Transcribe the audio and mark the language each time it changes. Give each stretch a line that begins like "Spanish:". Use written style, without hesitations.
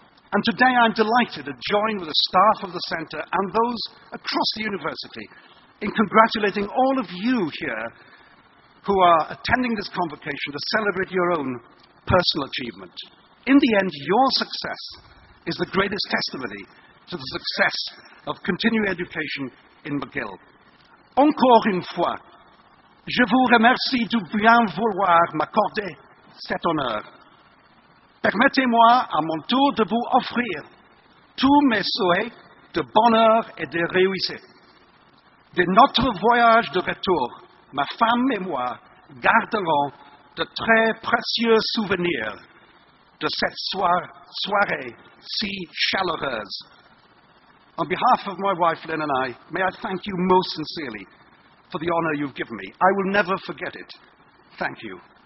English: And today I'm delighted to join with the staff of the Center and those across the university in congratulating all of you here who are attending this convocation to celebrate your own personal achievement. In the end, your success is the greatest testimony to the success of continuing education in McGill.
French: Encore une fois, je vous remercie de bien vouloir m'accorder cet honneur. Permettez-moi à mon tour de vous offrir tous mes souhaits de bonheur et de réussite. De notre voyage de retour, ma femme et moi garderons de très précieux souvenirs de cette soirée si chaleureuse.
English: On behalf of my wife Lynn and I, may I thank you most sincerely for the honor you've given me. I will never forget it. Thank you.